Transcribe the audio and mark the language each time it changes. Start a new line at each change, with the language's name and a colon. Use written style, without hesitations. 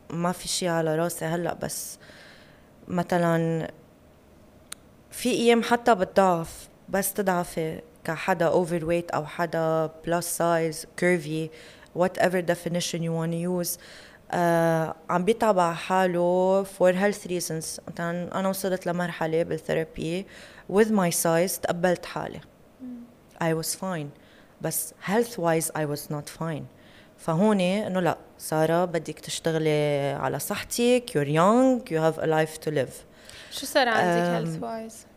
Arabic: ما في شيء على راسي هلا، بس مثلا في ايام حتى بتضعف، بس تضعفي كحدا overweight او حدا
English: plus size curvy whatever definition you want to use،
Arabic: عم بيتعب على حاله
English: for health reasons.
Arabic: أنا وصلت لمرحلة بالثيرابي
English: with my size
Arabic: تقبلت حالي.
English: I was fine. بس health wise I was not fine.
Arabic: فهوني إنه لا سارة بدك تشتغلي على صحتك.
English: You're young. You have a life to live.
Arabic: شو صار عندك health wise؟